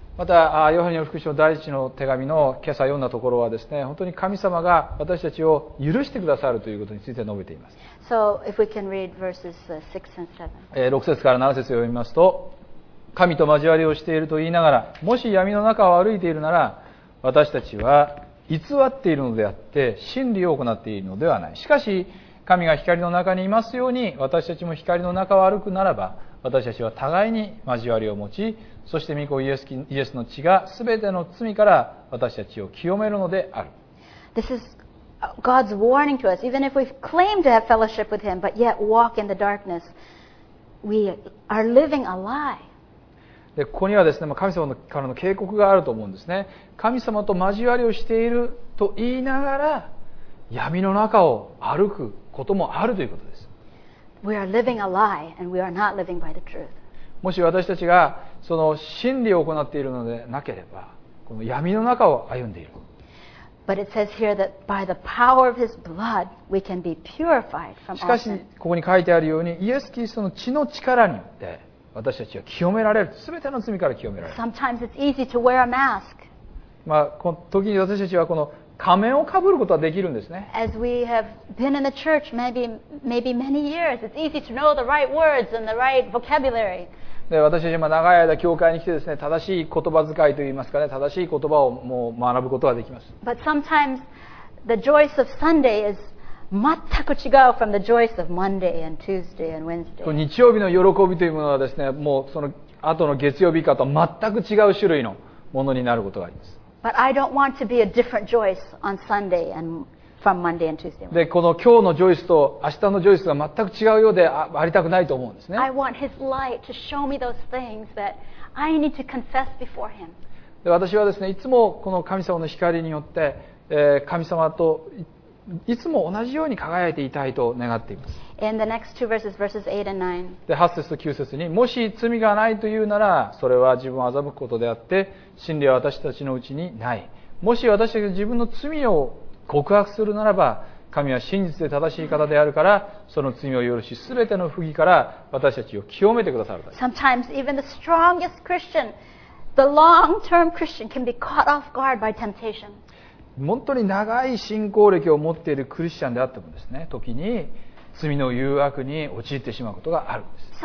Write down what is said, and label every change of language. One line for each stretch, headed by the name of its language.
Japanese: また、ヨハネの福音書第一の手紙の今朝読んだところはですね、本当に神様が私たちを許してくださるということについて述べています。
English: So if we can read verses 6 and
Japanese: 7. 6節から7節を読みますと、神と交わりをしていると言いながら、もし闇の中を歩いているなら、私たちは偽っているのであって、真理を行っているのではない。しかし、神が光の中にいますように、私たちも光の中を歩くならば、私たちは互いに交わりを持ち、そして御子イエスの血がすべての罪から私たちを清めるのである。
English: This is God's warning to us. Even if we claim to have fellowship with Him, but yet walk in the darkness, we are living a lie.
Japanese: で、ここにはですね、神様からの警告があると思うんですね。神様と交わりをしていると言いながら、闇の中を歩くこともあるということです。
English: We are living a lie and we are not living by the truth.
Japanese: もし私たちがその真理を行っているのでなければ、この闇の中を歩んでいる。
English: But it says here that by the power of His blood we can be purified from all sin.
Japanese: しかしここに書いてあるように、イエス・キリストの血の力によって私たちは清められる。すべての罪から清められる。
English: Sometimes it's easy to wear a mask.
Japanese: まあ、この時に私たちはこの仮面をかぶることはできるんですね。
English: As we have been in the church maybe many years, it's easy to know the right words and the right vocabulary.
Japanese: で、私は今長い間教会に来てですね、正しい言葉遣いといいますかね、正しい言葉をもう学ぶことができます。
English: But sometimes the joys of Sunday is
Japanese: 全く違う
English: from the joys of Monday and Tuesday and Wednesday.
Japanese: 日曜日の喜びというものはですね、もうその後の月曜日かと全く違う種類のものになることがあります。
English: But I don't want to be a different Joyce on Sunday and from Monday and Tuesday.
Japanese: で、この今日のジョイスと明日のジョイスが全く違うようでありたくないと思うんですね。
English: I want His light to show me those things that I need to confess before Him.
Japanese: で、私はですね、いつもこの神様の光によって、神様といつも同じように輝いていたいと願っています。
English: In the next two verses, verses 8 and 9.
Japanese: で、8節と9節に、もし罪がないというなら、それは自分を欺くことであって、真理は私たちのうちにない。もし私たちが自分の罪を告白するならば、神は真実で正しい方であるから、その罪を許し、すべての不義から私たちを清めてくださる。
English: Sometimes even the strongest Christian, the long-term Christian, can be caught off guard by temptation.
Japanese: 本当に長い信仰歴を持っているクリスチャンであってもですね、時に罪の誘惑に陥ってしまうことがあるんです。